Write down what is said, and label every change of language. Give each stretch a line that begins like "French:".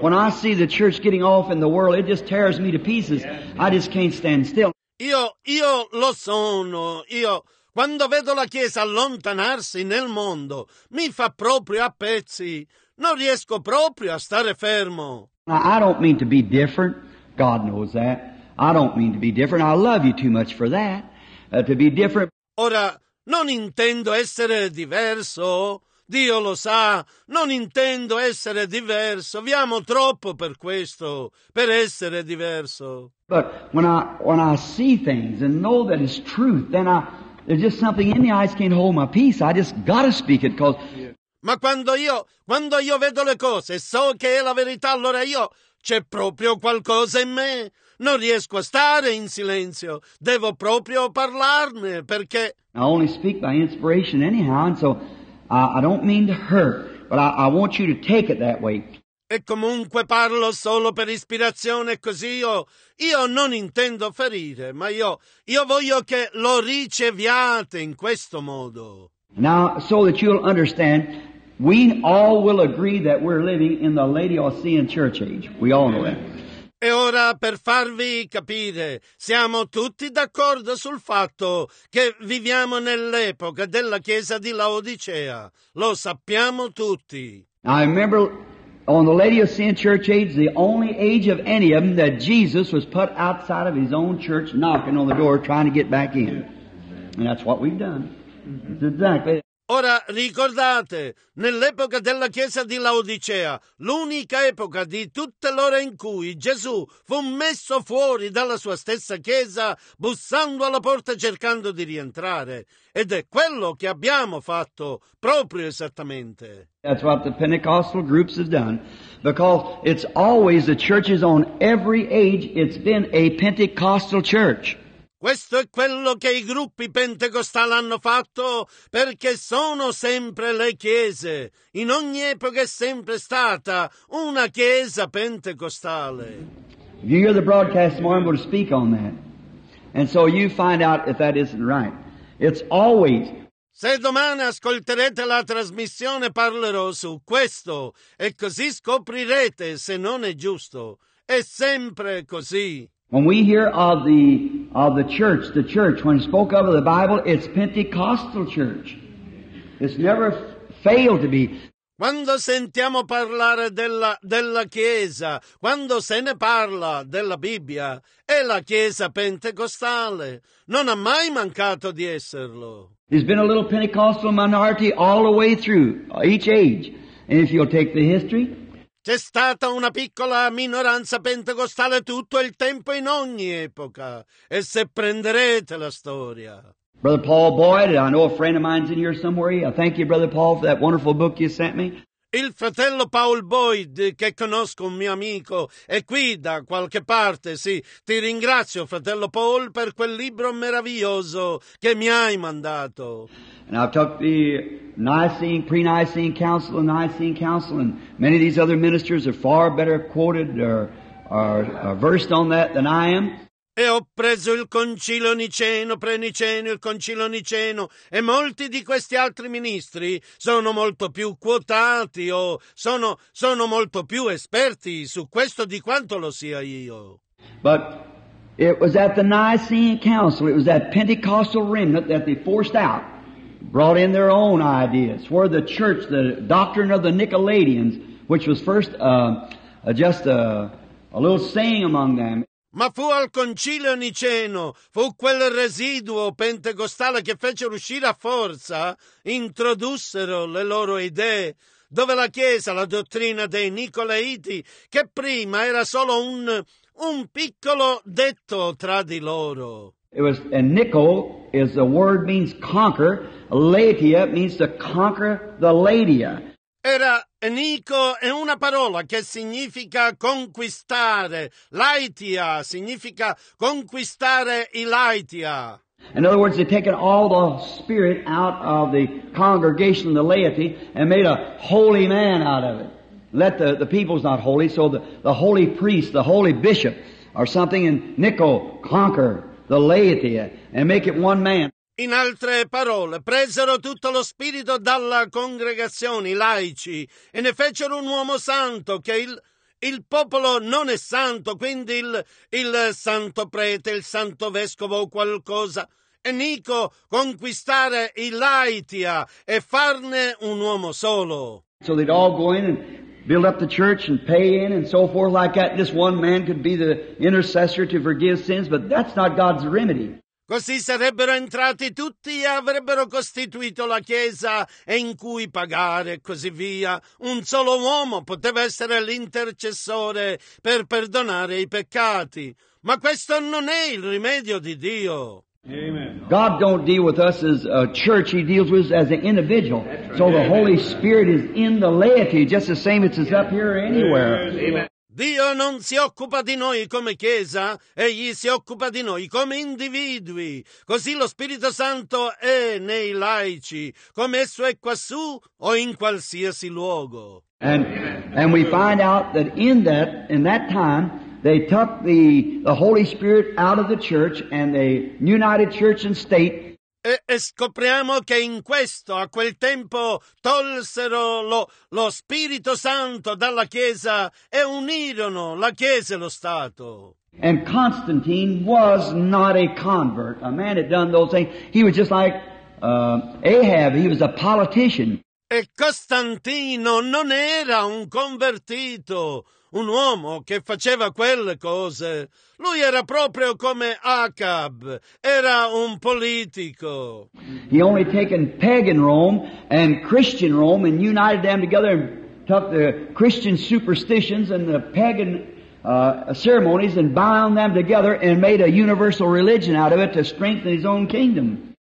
English: When I see the church getting off in the world, it just tears me to pieces. Yes. I just can't stand still.
Italian: Io lo sono, io... Quando vedo la Chiesa allontanarsi nel mondo, mi fa proprio a pezzi. Non riesco proprio a stare fermo.
English: Now, I don't mean to be different. God knows that. I don't mean to be different. I love you too much for that. To be different.
Italian: Ora, non intendo essere diverso. Dio lo sa, non intendo essere diverso. Vi amo troppo per questo, per essere diverso.
English: But when I see things and know that it's truth, then there's just something in me, I just can't hold my peace. I just gotta speak it, because... Yeah.
Italian: Ma quando io vedo le cose e so che è la verità, allora io c'è proprio qualcosa in me. Non riesco a stare in silenzio. Devo proprio parlarne, perché...
English: I only speak by inspiration anyhow, and so... I don't mean to hurt, but I want you to take it that way.
Italian: E comunque parlo solo per ispirazione, così io non intendo ferire, ma io voglio che lo riceviate in questo modo.
English: Now, so that you'll understand, we all will agree that we're living in the Laodicean church age. We all know that.
Italian: E ora, per farvi capire, siamo tutti d'accordo sul fatto che viviamo nell'epoca della Chiesa di Laodicea. Lo sappiamo tutti.
English: I remember on the Laodicean church age, the only age of any of them that Jesus was put outside of his own church, knocking on the door, trying to get back in. And that's what we've done. Exactly.
Italian: Ora, ricordate, nell'epoca della Chiesa di Laodicea, l'unica epoca di tutte l'ora in cui Gesù fu messo fuori dalla sua stessa Chiesa, bussando alla porta cercando di rientrare. Ed è quello che abbiamo fatto, proprio esattamente.
English: That's what the Pentecostal groups have done, because it's always the churches on every age, it's been a Pentecostal church.
Italian: Questo è quello che i gruppi pentecostali hanno fatto, perché sono sempre le chiese. In ogni epoca è sempre stata una chiesa pentecostale.
English: If you hear the broadcast tomorrow, I'm going to speak on that. And so you find out if that isn't right. It's always...
Italian: Se domani ascolterete la trasmissione, parlerò su questo, e così scoprirete se non è giusto. È sempre così.
English: When we hear of the church, when it spoke of the Bible, it's Pentecostal church. It's never failed to be.
Italian: Quando sentiamo parlare della Chiesa, quando se ne parla della Bibbia, è la Chiesa Pentecostale. Non ha mai mancato di esserlo.
English: There's been a little Pentecostal minority all the way through, each age. And if you'll take the history...
Italian: C'è stata una piccola minoranza pentecostale tutto il tempo, in ogni epoca. E se prenderete la storia.
English: Brother Paul Boyd, I know a friend of mine's in here somewhere. I thank you, Brother Paul, for that wonderful book you sent me.
Italian: Il fratello Paul Boyd, che conosco, un mio amico, è qui da qualche parte, sì. Ti ringrazio, fratello Paul, per quel libro meraviglioso che mi hai mandato.
English: And I've talked to the Nicene, pre-Nicene Council, and Nicene Council, and many of these other ministers are far better quoted or versed on that than I am.
Italian: E ho preso il Concilio Niceno, pre-Niceno, il Concilio Niceno, e molti di questi altri ministri sono molto più quotati o sono molto più esperti su questo di quanto lo sia io.
English: But it was at the Nicene Council, it was that Pentecostal remnant that they forced out. Brought in their own ideas, where the church, the doctrine of the Nicolaitans, which was first just a little saying among them.
Italian: Ma fu al Concilio Niceno, fu quel residuo pentecostale che fecero uscire a forza, introdussero le loro idee, dove la Chiesa, la dottrina dei Nicolaiti, che prima era solo un piccolo detto tra di loro.
English: It was, and Nico is the word means conquer. Laetia means to conquer the Laodicea.
Italian: Era Nico è una parola che significa conquistare. Laetia significa conquistare i Laetia.
English: In other words, they've taken all the spirit out of the congregation of the laity and made a holy man out of it. Let the people's not holy, so the holy priest, the holy bishop, or something, and Nico conquer the Laetia and make it one man.
Italian: In altre parole, presero tutto lo spirito dalla congregazione, i laici, e ne fecero un uomo santo, che il popolo non è santo, quindi il santo prete, il santo vescovo o qualcosa, Nico conquistare Ilaitia e farne un uomo solo.
English: So they'd all go in and build up the church and pay in and so forth like that. Just one man could be the intercessor to forgive sins, but that's not God's remedy.
Italian: Così sarebbero entrati tutti e avrebbero costituito la chiesa in cui pagare e così via. Un solo uomo poteva essere l'intercessore per perdonare i peccati. Ma questo non è il rimedio di Dio.
English: Amen. God don't deal with us as a church, he deals with us as an individual. Right. So Amen. The Holy Spirit is in the laity, just the same as it's up here anywhere. Amen.
Italian: Dio non si occupa di noi come chiesa, egli si occupa di noi come individui. Così lo Spirito Santo è nei laici, come esso è quassù o in qualsiasi luogo.
English: And we find out that in that time they took the Holy Spirit out of the church and they united church and state.
Italian: E scopriamo che in questo, a quel tempo, tolsero lo Spirito Santo dalla Chiesa e unirono la Chiesa e lo Stato.
English: And Constantine was not a convert. A man had done those things. He was just like Ahab. He was a politician.
Italian: E Costantino non era un convertito, un uomo che faceva quelle cose. Lui era proprio come Acab, era un politico.
English: He only taken pagan Rome and Christian Rome and united them together and took the Christian superstitions and the pagan ceremonies and bound them together and made a universal religion out of it to strengthen his own kingdom.